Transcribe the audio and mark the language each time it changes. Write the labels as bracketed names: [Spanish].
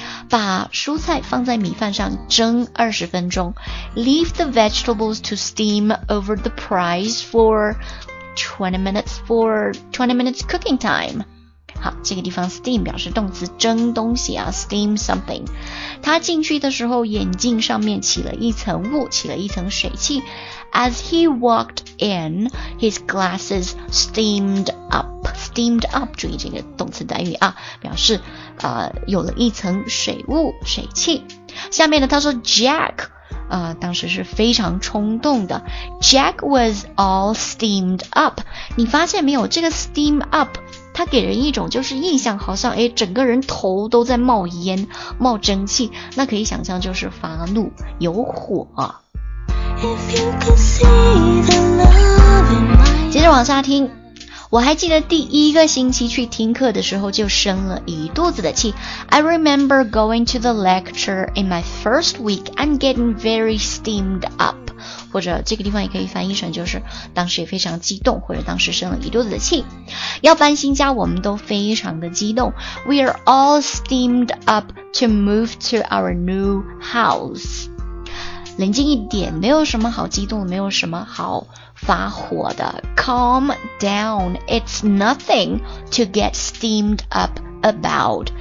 [English] 把蔬菜放在米饭上蒸20分钟 Leave the vegetables to steam over the prize for 20 minutes cooking time. [Chinese] 好，这个地方 steam 表示动词蒸东西啊， steam something. 他进去的时候眼镜上面起了一层雾，起了一层水汽。 [English] As he walked in, his glasses steamed up. [Chinese] Steamed up，注意这个动词短语啊，表示有了一层水雾水汽。下面呢，他说 Jack 当时是非常冲动的。 [English] Jack was all steamed up。 [Chinese] 你发现没有，这个 steam up 它给人一种就是印象，好像整个人头都在冒烟、冒蒸汽，那可以想象就是发怒、有火。 [English] If you could see the love in my... [Chinese] 接着往下听。我还记得第一个星期去听课的时候就生了一肚子的气。 [English] I remember going to the lecture in my first week and getting very steamed up. [Chinese] 或者这个地方也可以翻译成就是当时也非常激动，或者当时生了一肚子的气。要搬新家我们都非常的激动。 [English] We are all steamed up to move to our new house. [Chinese] 冷静一点，没有什么好激动，没有什么好发火的。 [English] Calm down, it's nothing to get steamed up about.